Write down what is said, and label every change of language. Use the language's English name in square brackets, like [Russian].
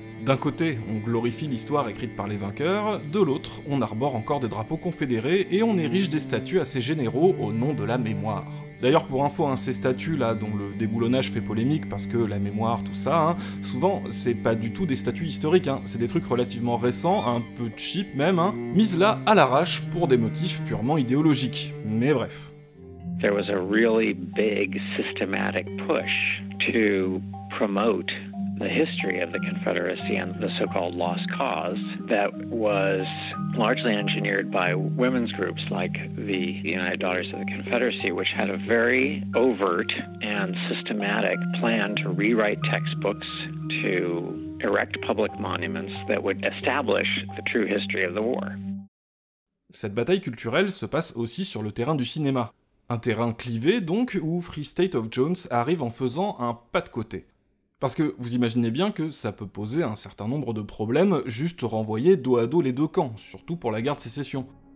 [French] D'un côté, on glorifie l'histoire écrite par les vainqueurs, de l'autre, on arbore encore des drapeaux confédérés, et on érige des statues à ces généraux au nom de la mémoire. D'ailleurs, pour info, hein, ces statues-là, dont le déboulonnage fait polémique parce que la mémoire, tout ça, hein, souvent, c'est pas du tout des statues historiques, hein, c'est des trucs relativement récents, un peu cheap même, hein, mises là à l'arrache pour des motifs purement idéologiques. Mais bref. [English] There was a really big systematic push to promote the history of the Confederacy and the so-called lost cause that was largely engineered by women's groups like the United Daughters of the Confederacy, which had a very overt and systematic plan to rewrite textbooks, to erect public monuments that would establish the true history of the war. [French] Cette bataille culturelle se passe aussi sur le terrain du cinéma. Un terrain clivé, donc, où Free State of Jones arrive en faisant un pas de côté. Parce que vous imaginez bien que ça peut poser un certain nombre de problèmes juste renvoyer dos à dos les deux camps, surtout pour la guerre de sécession.